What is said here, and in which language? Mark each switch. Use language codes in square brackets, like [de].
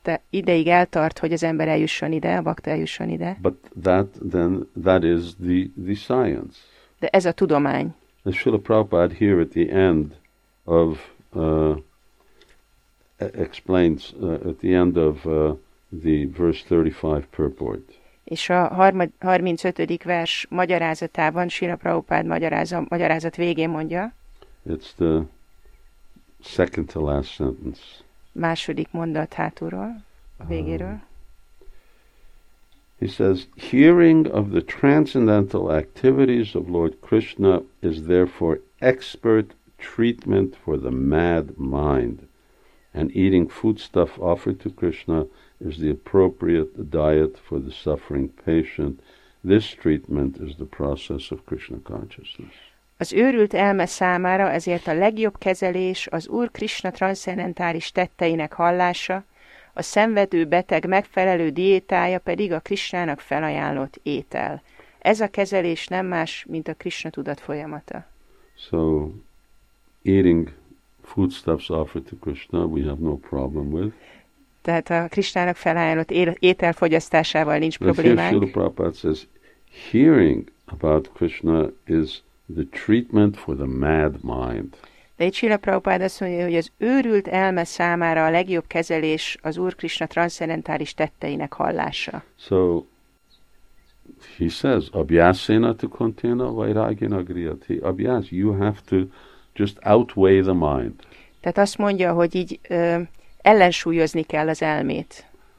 [hu] Ideig eltart, hogy az ember eljusson ide, a bakta eljusson ide. [en] But that is the science. [hu] De ez a tudomány. [en] And Srila Prabhupada here at the end of explains at the end of the verse 35 purport. [hu] És a 35. vers magyarázatában Srila Prabhupada magyarázat végén mondja. [en] It's the second to last sentence. [hu] Második mondat hátulról, a végéről. [en] He says, hearing of the transcendental activities of Lord Krishna is therefore expert treatment for the mad mind, and eating foodstuff offered to Krishna is the appropriate diet for the suffering patient. This treatment is the process of Krishna consciousness. [hu] Az őrült elme számára ezért a legjobb kezelés az Úr Krishna transzcendentális tetteinek hallása, a szenvedő beteg megfelelő diétája pedig a Krishnának felajánlott étel. Ez a kezelés nem más, mint a Krishna tudat folyamata. [en] So, eating foodstuffs offered to Krishna, we have no problem with. [hu] Tehát a Krishnának felajánlott étel fogyasztásával nincs problémánk. [en] Srila Prabhupada says, hearing about Krishna is the treatment for the mad mind. [hu] De itt Srila Prabhupada azt mondja, hogy az őrült elme számára a legjobb kezelés az Úr Krishna transzcendentális tetteinek hallása. [en] So, he says, [sa] abhyasena tu kontena vairagina griyati. [en] Abhyas, you have to just outweigh the mind. [hu] Tehát azt mondja, hogy így ellensúlyozni kell az elmét.